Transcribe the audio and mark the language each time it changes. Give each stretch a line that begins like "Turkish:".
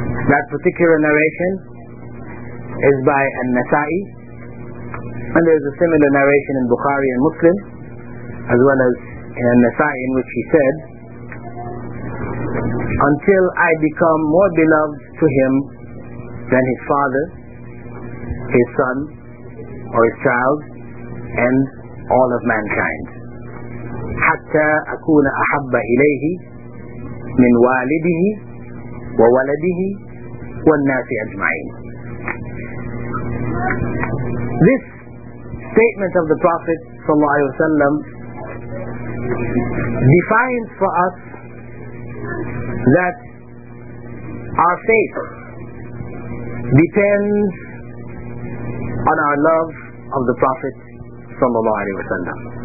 English: That particular narration is by An-Nasa'i, and there is a similar narration in Bukhari and Muslim, as well as in An-Nasa'i, in which he said, "Until I become more beloved to him than his father, his son, or his child, and all of mankind."
Arabic: حتى أكون أحب إليه من والده وولده والناس أجمعين.
English: This statement of the Prophet صلى الله عليه وسلم defines for us that our faith depends on our love of the Prophet صلى الله عليه وسلم.